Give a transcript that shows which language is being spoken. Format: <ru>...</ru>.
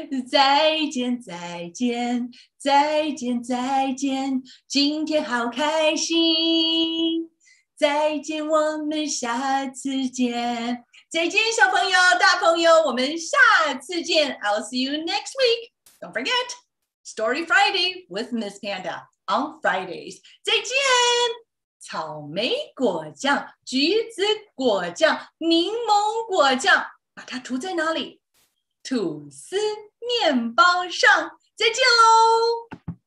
<zh>再见，再见，再见，再见，今天好开心。再见，我们下次见。再见，小朋友、大朋友，我们下次见。</zh> <en>I'll see you next week. Don't forget, Story Friday with Miss Panda on Fridays.</en> <zh>再见。草莓果酱、橘子果酱、柠檬果酱，把它涂在哪里？吐司面包上。再见喽。</zh>